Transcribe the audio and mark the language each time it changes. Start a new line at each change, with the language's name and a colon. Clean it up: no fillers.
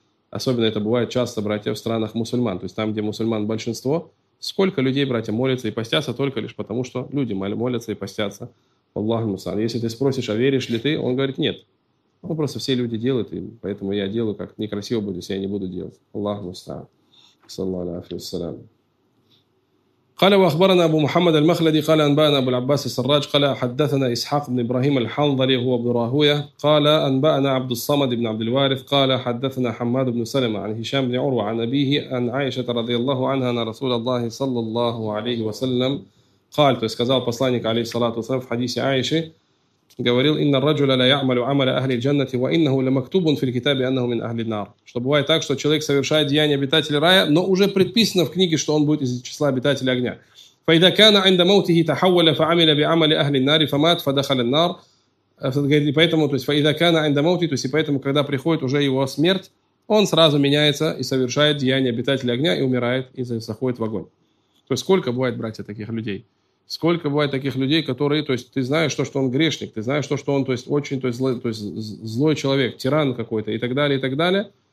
Russian: Особенно это бывает часто, братья, в странах мусульман. То есть там, где мусульман большинство, сколько людей, братья, молятся и постятся только лишь потому, что люди молятся и постятся.
Arabic: Аллаху мусан.
Russian: Если ты спросишь, а веришь ли ты, он говорит, нет. Ну, просто все люди делают, и поэтому я делаю, как некрасиво буду, если я не буду делать.
Arabic: Аллаху мусан. Саллаху алейхи ва саллям. قال واخبرنا ابو محمد المخلدي قال انبانا ابو العباس السراج قال حدثنا اسحاق بن ابراهيم الحنظلي هو ابن راهويه قال انبانا عبد الصمد بن عبد الوارث قال حدثنا حماد بن سلمة عن هشام بن عروه عن ابيه عن عائشه رضي الله عنها ان رسول الله صلى الله عليه وسلم قال
Russian: то есть сказал посланник
Arabic: عليه الصلاه والسلام
Russian: в хадисе Аиши говорил
Arabic: ان الرجل لا يعمل عمل اهل الجنه وانه لمكتوب في الكتاب انه من اهل النار.
Russian: Что бывает так, что человек совершает деяния обитателя рая, но уже предписано в книге, что он будет из числа обитателей огня.
Arabic: فاذا كان عند موته تحول فعمل بعمل اهل النار فمات فدخل النار.
Russian: Поэтому, то есть
Arabic: فاذا كان عند موته,
Russian: то есть поэтому, когда приходит уже его смерть, он сразу меняется и совершает деяния обитателя огня и умирает и заходит в огонь. То есть сколько бывает, братья, таких людей? Сколько бывает таких людей, которые, то есть, ты знаешь то, что он грешник, ты знаешь то, что он, то есть, очень, то есть, злой человек, тиран какой-то и так далее, и так далее.